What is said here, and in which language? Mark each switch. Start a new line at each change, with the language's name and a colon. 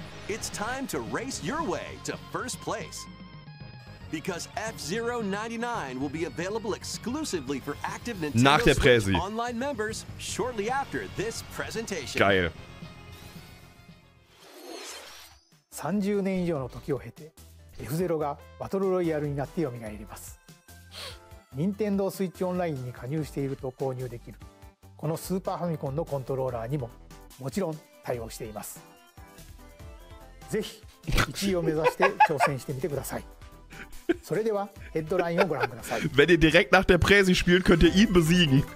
English: It's time to race your way to first place. Because F-Zero 99 will be available exclusively for active Nintendo Switch online members shortly after this presentation.
German: Geil.
Japanese: 30年以上の時を経て、F-Zero がバトルロイヤルになってよみがえります。 Nintendo Switch Online に加入していると購入できる、このスーパーファミコンのコントローラーにももちろん対応しています。ぜひ1位を目指して挑戦してみてください。
German: Wenn ihr direkt nach der Präsi spielt, könnt ihr ihn besiegen.